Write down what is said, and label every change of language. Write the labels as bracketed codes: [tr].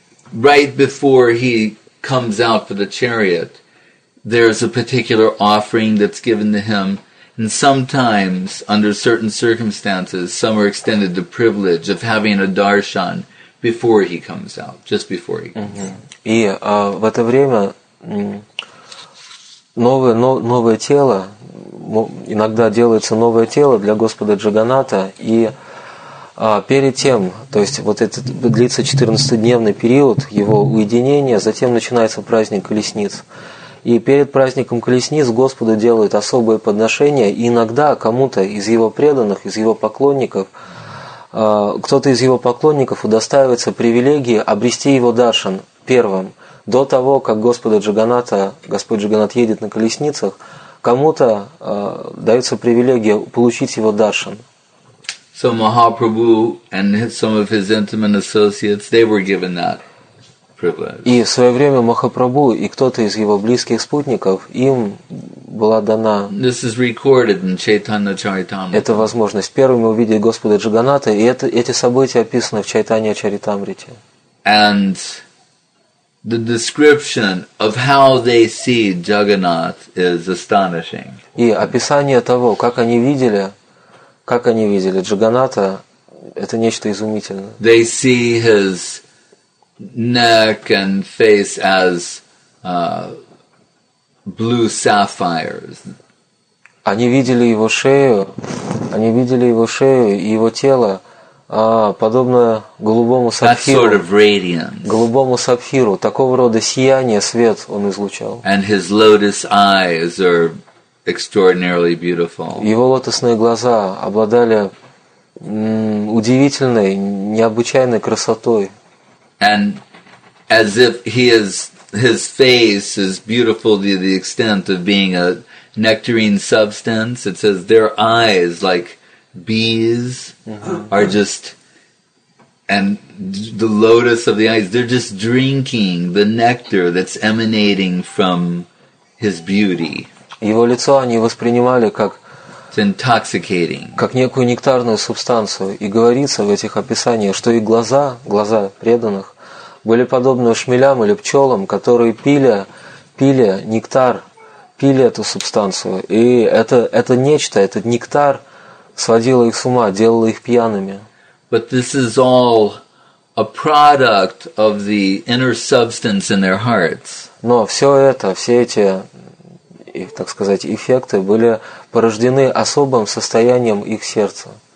[en] Right before he comes out for the chariot, there's a particular offering that's given to him, and sometimes, under certain circumstances, some are extended the privilege of having a darshan before he comes out, just before he comes out. [ru] И в это время новое тело, иногда делается новое тело для Господа Джаганнатха, и перед тем, то есть вот этот длится 14-дневный период его уединения, затем начинается праздник колесниц. И перед праздником колесниц Господу делают особые подношения, и иногда кому-то из его преданных, из его поклонников, кто-то из его поклонников удостаивается привилегии обрести его даршан первым, до того, как Господь Джаганнатх едет на колесницах, кому-то дается привилегия получить его даршан. [en] So Mahaprabhu and some of his intimate associates, they were given that privilege. [ru] И в свое время Махапрабху и кто-то из его близких спутников им была дана. [en] This is recorded in Chaitanya Charitamrita. [ru] Это возможность первыми увидеть Господа Джаганнатха, и эти события описаны в Чайтанья Чаритамрите. [en] And the description of how they see Jagannath is astonishing. [ru] И описание того, как они видели Джаганнатха, это нечто изумительное. [en] They see his neck and face as blue sapphires. [ru] Они видели его шею и его тело подобно голубому сапфиру. [en] That sort of radiance. [ru] Голубому сапфиру, такого рода сияние, свет он излучал. [en] And his lotus eyes are extraordinarily beautiful. [ru] Его лотосные глаза обладали удивительной, необычайной красотой. [en] And as if he is, his face is beautiful to the extent of being a nectarine substance. It says their eyes, like bees, are just, and the lotus of the eyes, they're just drinking the nectar that's emanating from his beauty. [ru] Его лицо они воспринимали как [en] intoxicating. [ru] Как некую нектарную субстанцию. И говорится в этих описаниях, что их глаза, глаза преданных, были подобны шмелям или пчелам, которые пили нектар, пили эту субстанцию. И это нечто, этот нектар сводило их с ума, делало их пьяными. [en] But this is all a product of the inner substance in their hearts. [ru] Но все это, все эти, так сказать, эффекты были порождены особым состоянием их сердца.